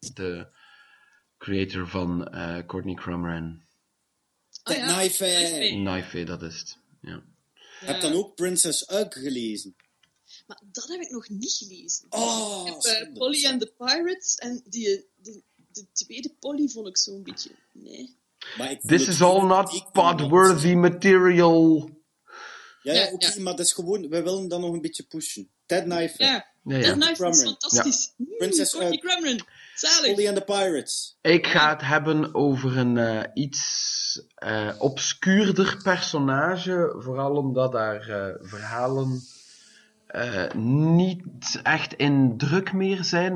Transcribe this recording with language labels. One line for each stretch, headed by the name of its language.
Dutch: De creator van Courtney Cromerin. Knife, dat is het. Ja. Ja. Heb dan ook Princess Ugg gelezen? Maar dat heb ik nog niet gelezen. Oh, ik heb Polly and the Pirates en de tweede Polly vond ik zo'n beetje... Nee.
English: Maar this is all not pod-worthy material.
Dutch: Ja, oké. Maar dat is gewoon... We willen dan nog een beetje pushen. Ted Knife. Ja. Ted Knife is fantastisch. Ja. Princess Ugg. Cameron. Zalig. Polly and the Pirates. Ik ga het hebben over een iets obscuurder personage. Vooral omdat daar verhalen niet echt in druk meer zijn.